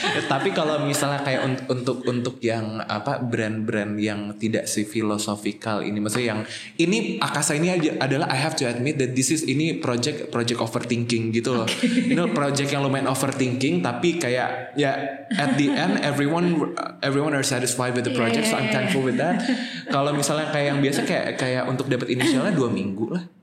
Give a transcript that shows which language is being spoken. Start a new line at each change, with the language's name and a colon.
Indonesian: Tapi kalau misalnya kayak untuk yang brand-brand yang tidak si filosofikal ini, maksudnya yang ini Akasa ini adalah I have to admit that this is ini project overthinking gitu loh. You know,
English: project yang lumayan overthinking, tapi kayak ya at the end everyone are satisfied with the project, yeah. So I'm thankful with that.
Indonesian: Kalau misalnya kayak yang biasa kayak untuk dapat initialnya 2 minggu lah.